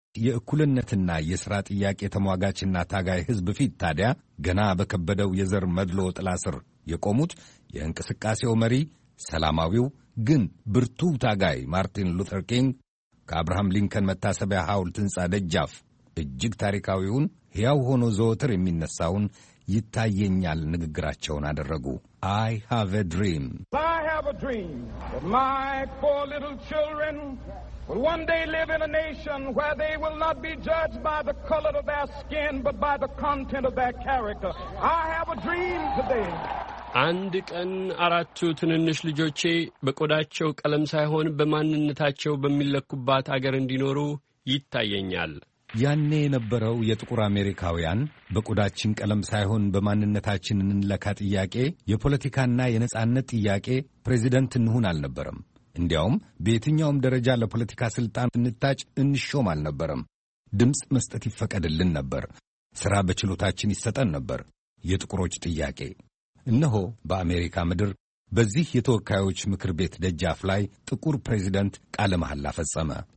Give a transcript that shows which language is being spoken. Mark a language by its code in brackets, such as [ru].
[am] የእኩልነትና የሥራ ጥያቄ ተሟጋችና ታጋይ ሕዝብ ፊት ታዲያ ገና በከበደው የዘር መድሎ ጥላ ስር የቆሙት የእንቅስቃሴው መሪ ሰላማዊው ግን ብርቱ ታጋይ ማርቲን ሉተር ኪንግ ከአብርሃም ሊንከን መታሰቢያ ሐውልት ሕንፃ ደጃፍ እጅግ ታሪካዊውን ሕያው ሆኖ ዘወትር የሚነሳውን ይታየኛል ንግግራቸውን አደረጉ። [en] I have a dream. I have a dream that my four little children will one day live in a nation where they will not be judged by the color of their skin but by the content of their character. I have a dream today. [am] አንድ ቀን አራቱ ትንንሽ ልጆቼ በቆዳቸው ቀለም ሳይሆን በማንነታቸው በሚለኩባት አገር እንዲኖሩ ይታየኛል። ያኔ የነበረው የጥቁር አሜሪካውያን በቆዳችን ቀለም ሳይሆን በማንነታችን እንለካ ጥያቄ የፖለቲካና የነጻነት ጥያቄ ፕሬዚደንት እንሁን አልነበረም። እንዲያውም በየትኛውም ደረጃ ለፖለቲካ ሥልጣን እንታጭ እንሾም አልነበረም። ድምፅ መስጠት ይፈቀድልን ነበር። ሥራ በችሎታችን ይሰጠን ነበር። የጥቁሮች ጥያቄ እነሆ በአሜሪካ ምድር በዚህ የተወካዮች ምክር ቤት ደጃፍ ላይ ጥቁር ፕሬዚደንት ቃለ መሐላ ፈጸመ።